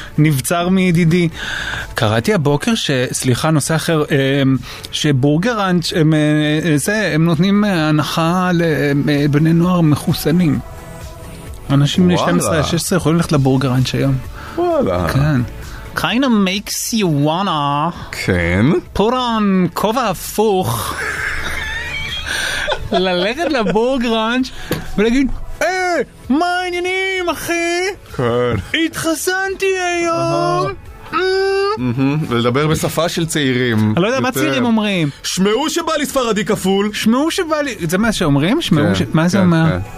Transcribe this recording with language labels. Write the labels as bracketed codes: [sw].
[he] נבצר מידידי. קראתי הבוקר סליחה, נושא אחר, שבורגראנץ' הם נותנים הנחה לבני נוער מחוסנים. אנשים בני 12-16 יכולים ללכת לבורגראנץ' היום. וואלה. כן. [en] Kind of makes you wanna put on [he] כובע הפוך. ללכת לבורגראנץ' ולהגיד, מה העניינים אחי? כן. התחסנתי היום. ולדבר בשפה של צעירים. אני לא יודע מה צעירים אומרים. שמעו שבא לי ספרדי כפול. שמעו שבא לי, זה מה שאומרים? מה זה אומר?